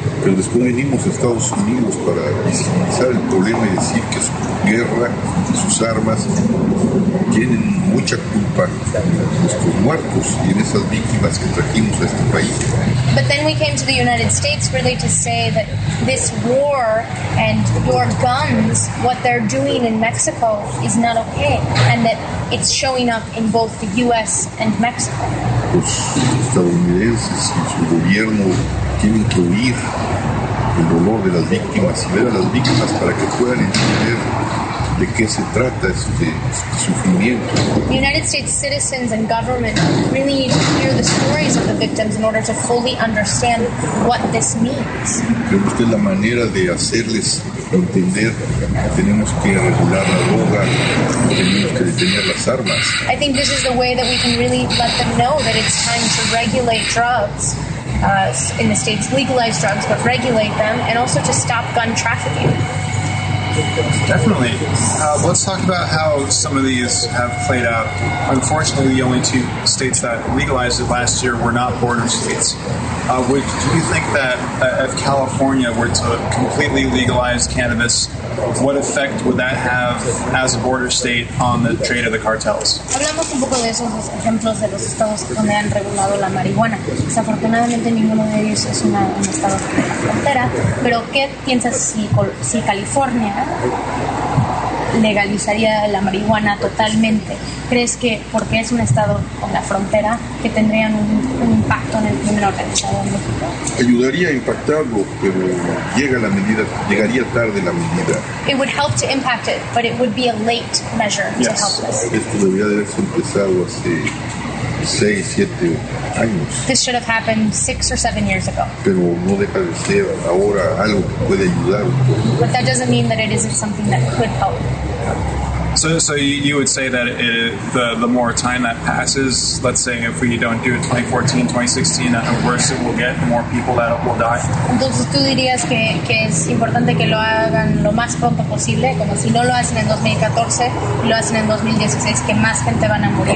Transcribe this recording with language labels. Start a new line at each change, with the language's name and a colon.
Spanish: Pero después venimos a Estados Unidos para visibilizar el problema y decir que su guerra, sus armas, tienen mucha culpa de nuestros muertos y en esas víctimas que trajimos a este país.
English: But then we came to the United States really to say that this war and your guns, what they're doing in Mexico is not okay, and that it's showing up in both the U.S. and Mexico.
Spanish: Los estadounidenses y su gobierno tienen que oír el dolor de las víctimas y ver a las víctimas para que puedan entender de qué se trata este sufrimiento.
English: The United States citizens and government really need to hear the stories of the victims in order to fully understand what this means.
Spanish: Creo que es la manera de hacerles entender que tenemos que regular la droga, tenemos que detener las armas.
English: I think this is the way that we can really let them know that it's time to regulate drugs. In the states, legalize drugs, but regulate them, and also to stop gun trafficking. Definitely. Let's talk about how some of these have played out. Unfortunately, the only two states that legalized it last year were not border states. Do you think that if California were to completely legalize cannabis, what effect would that have as a border state on the trade of the cartels?
Spanish: Hablamos un poco de esos ejemplos de los estados donde han regulado la marihuana. Desafortunadamente, ninguno de ellos es un estado de frontera. Pero ¿qué piensas si California legalizaría la marihuana totalmente? ¿Crees que porque es un estado con la frontera que tendrían un impacto en el crimen organizado en México? Ayudaría a impactarlo, pero llegaría tarde la medida.
English: It would help to impact it, but it would be a late measure. Yes. To help us.
Spanish: Esto debería haberse empezado hace 6-7 años.
English: This should have happened 6 or 7 years ago.
Spanish: Pero no deja de ser ahora algo que puede ayudar.
English: But that doesn't mean that it isn't something that could help. So you would say that the more time that passes, let's say if we don't do it 2014, 2016, the worse it will get, the more people that will die?
Spanish: Entonces tú dirías que es importante que lo hagan lo más pronto posible, como si no lo hacen en 2014, lo hacen en 2016, que más gente van a morir.